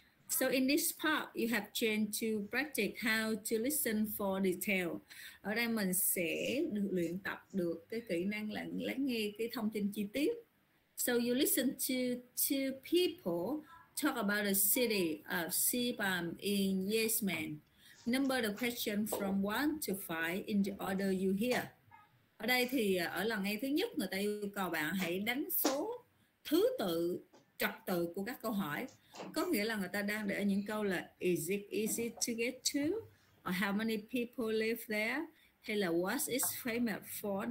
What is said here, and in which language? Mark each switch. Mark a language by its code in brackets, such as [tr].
[en] So in this part, you have changed to practice how to listen for detail. [vi] Ở đây mình sẽ được luyện tập được cái kỹ năng là lắng nghe cái thông tin chi tiết. [en] So you listen to two people talk about the city of Sibam in Yasmin. Number the question from 1 to 5 in the order you hear. [vi] Ở đây thì ở lần nghe thứ nhất, người ta yêu cầu bạn hãy đánh số thứ tự, trật tự của các câu hỏi. Có nghĩa là người ta đang để những câu là [en] is it easy to get to, or how many people live there, hay là what is famous for.